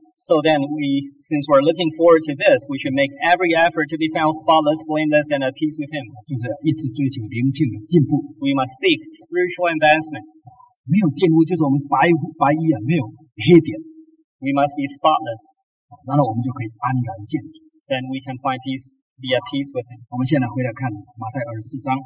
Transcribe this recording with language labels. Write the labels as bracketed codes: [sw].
[en] So then, since we're looking forward to this, we should make every effort to be found spotless, blameless, and at peace with Him. [zh] 就是一直追求灵性的进步。 [en] We must seek spiritual advancement. [zh] 没有玷污就是我们白衣，没有黑点。 [en] We must be spotless. [zh] 然后我们就可以安然建筑。 [en] Then we can find peace, be at peace with Him. [zh] 我们现在回来看马太24章。